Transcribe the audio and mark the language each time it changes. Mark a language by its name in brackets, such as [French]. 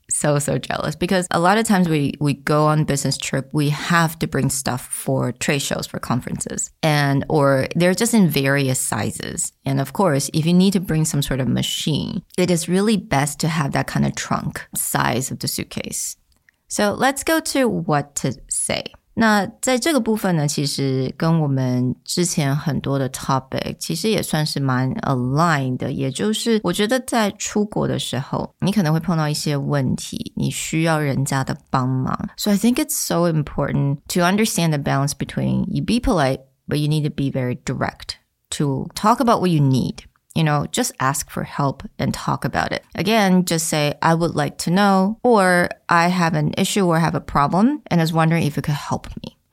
[English] So jealous, because a lot of times we go on business trip, we have to bring stuff for trade shows, for conferences, and or they're just in various sizes. And of course, if you need to bring some sort of machine, it is really best to have that kind of trunk size of the suitcase. So let's go to what to say. [Chinese] 那在这个部分呢, 其实跟我们之前很多的 topic 其实也算是蛮 aligned的, 也就是我觉得在出国的时候, 你可能会碰到一些问题, 你需要人家的帮忙。 [English] So I think it's so important to understand the balance between you be polite, but you need to be very direct to talk about what you need. You know, just ask for help and talk about it. Again, just say, I would like to know, or I have an issue or have a problem and is wondering if you could help me.